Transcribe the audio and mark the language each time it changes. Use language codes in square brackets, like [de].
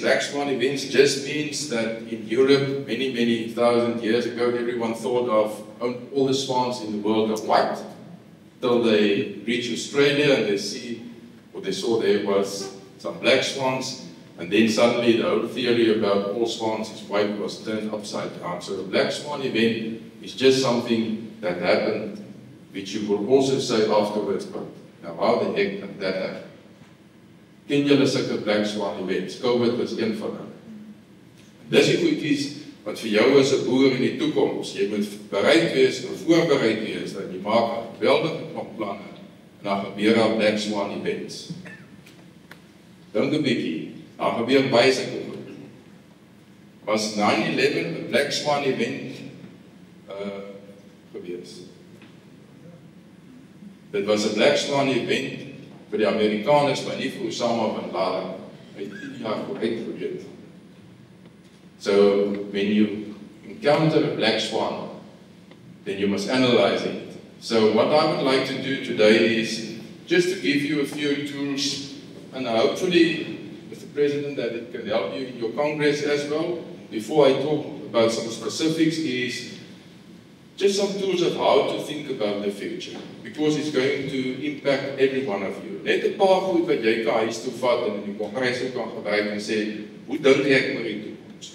[en] Black swan events just means that in Europe, many, many thousand years ago, everyone thought of all the swans in the world are white, till they reach Australia and they see what they saw there was some black swans, and then suddenly the whole theory about all swans is white was turned upside down. So the black swan event, it's just something that happened, which you will also say afterwards, but now how the heck did that happen? [af] Ken julle sulke black swan events? COVID was een van hulle. Dis die goedies wat vir jou as 'n boer in die toekoms, jy moet bereid wees en voorbereid wees, dat jy maak een geweldige planne, en dan gebeur daar black swan events. Dink 'n bietjie, dan gebeur baie se COVID. Was 9/11 'n black swan event? Dit was een black swan event vir die Amerikaners, maar nie vir Osama bin Laden. Hy het 10 jaar vooruit geweet. [en] So, when you encounter a black swan, then you must analyze it. So, what I would like to do today is just to give you a few tools, and hopefully, Mr. President, that it can help you in your Congress as well. Before I talk about some specifics is just some tools of how to think about the future, because it's going to impact every one of you. [af] Net 'n paar goed wat jy kan huis toe vat en in die kongres kan gebruik en sê, hoe dink ek oor die toekoms?